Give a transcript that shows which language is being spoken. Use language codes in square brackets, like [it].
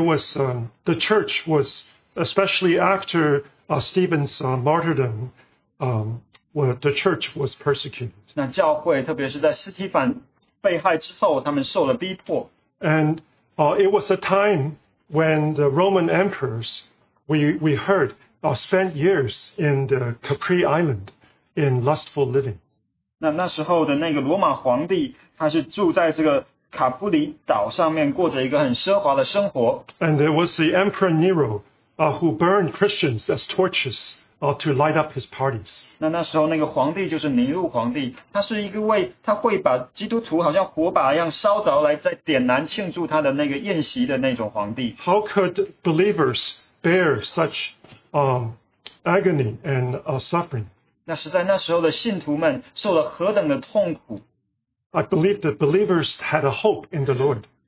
[en] was the church was, especially after Stephen's martyrdom, the church was persecuted. [zh] 那教会，特别是在斯提凡被害之后，他们受了逼迫。 [en] And it was a time when the Roman emperors, we heard, spent years in the Capri Island in lustful living. [zh] 那时候的那个罗马皇帝，他是住在这个卡布里岛上面，过着一个很奢华的生活。 [en] And there was the Emperor Nero, who burned Christians as torches or to light up his parties. [zh] 那时候那个皇帝就是尼禄皇帝, 他是一个为他会把基督徒好像火把一样烧着来再点燃庆祝他的那个宴席的那种皇帝。 [en] How could believers bear such agony and suffering? [zh] 那实在那时候的信徒们受了何等的痛苦。 [en] I believe that believers had a hope in the Lord.